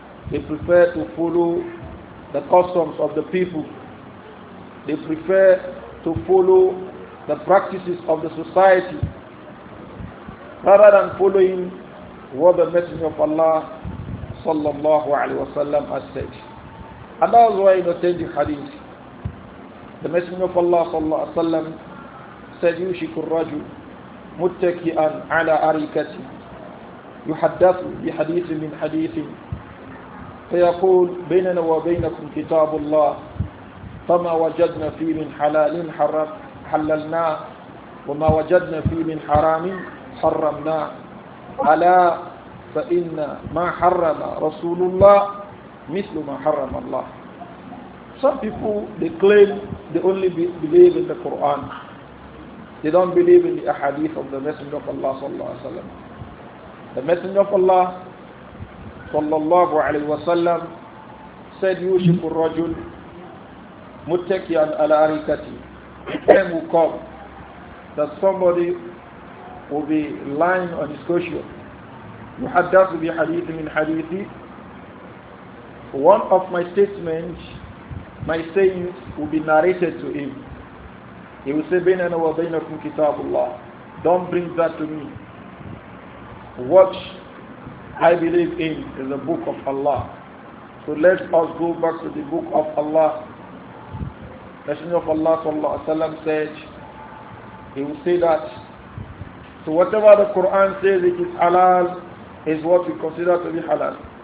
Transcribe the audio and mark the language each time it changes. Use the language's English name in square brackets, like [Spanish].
[English] They prefer to follow the customs of the people. They prefer to follow the practices of the society, rather than following what the Messenger of Allah sallallahu alaihi wasallam has said. And that was why in the Tendi hadith, the Messenger of Allah sallallahu alaihi wasallam said, [Arabic] يُشِكُ الرَّجُلُ مُتَّكِئًا عَلَىٰ أَرِكَةٍ يُحَدَّثُ بِحَدِيثٍ مِّنْ حَدِيثٍ فَيَقُولُ بَيْنَنَا وَبَيْنَكُمْ كِتَابُ اللَّهِ فَمَا وَجَدْنَا فِيهِ مِنْ حَلَالٍ حَلَّلْنَاهُ وَمَا وَجَدْنَا فِيهِ مِنْ حَرَامٍ حَرَّمْنَاهُ أَلَا فَإِنَّ مَا حَرَّمَ رَسُولُ اللَّهِ مِثْلُ مَا حَرَّمَ اللَّهِ. [English] Some people, they claim they only believe in the Quran. They don't believe in the ahadith of the Messenger of Allah sallallahu alaihi wasallam. The Messenger of Allah sallallahu alaihi wasallam said, [Arabic] يُوشِكُ الرَّجُلُ مُتَّكِيًا عَلَىٰ أَرِكَةٍ. [English] The time will come that somebody will be lying on his cushion. [Arabic] يُحَدَّثُ بِحَدِيثٍ مِّنْ حَدِيثٍ. [English] One of my statements my sayings will be narrated to him. He will say, [Arabic] بَيْنَنَا وَبَيْنَكُمْ كِتَابُ اللَّهِ. [English] Don't bring that to me. What I believe in is the book of Allah. So let us go back to the book of Allah. The Messenger of Allah sallallahu alaihi wasallam said, he will say that, so whatever the Quran says it is halal, is what we consider to be halal.